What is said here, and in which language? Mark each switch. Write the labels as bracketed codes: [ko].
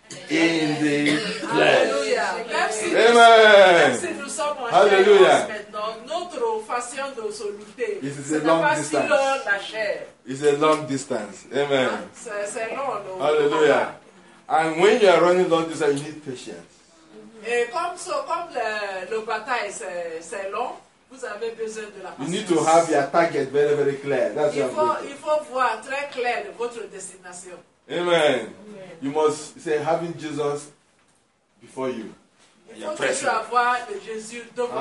[en] In the flesh. Hallelujah. Amen. [fr] Hallelujah. Notre façon de se lutter. [en] It is a long distance. It's a long distance. Amen. Hallelujah. And when you are running long distance, you need patience. [fr] Et comme le bataille c'est long, vous avez besoin de la patience. [en] You need to have your target very, very clear. That's [fr] il faut, il faut voir très clair votre destination. [en] Amen. Amen. You must say having Jesus before you. [fr] Il faut toujours avoir le Jésus devant toi.